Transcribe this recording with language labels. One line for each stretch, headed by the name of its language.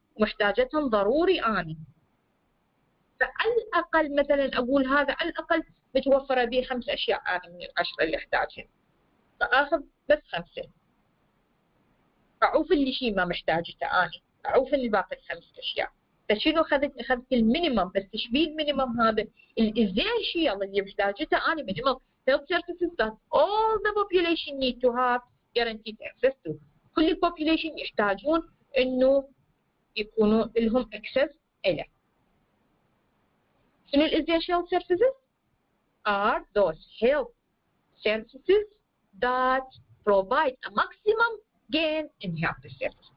Arabic: محتاجتهم ضروري آني. فعلى الأقل مثلاً أقول هذا على الأقل متوفرة به 5 أشياء آني من 10 اللي أحتاجهم. فأخذ بس 5. أعوف اللي شيء ما محتاجته آني. أعوف اللي باقي 5 أشياء. فشنو أخذت؟ أخذت المينيمم. بس تشبيه المينيمم هذا الإزيشيال اللي محتاجته آني. مينيمم.
English: Health services that all the population need to have guaranteed access to.
Arabic: كل population يحتاجون إنه يكونوا لهم اكسس اله.
English: شنو الاسيشال services? Are those health services that provide a maximum gain in health services.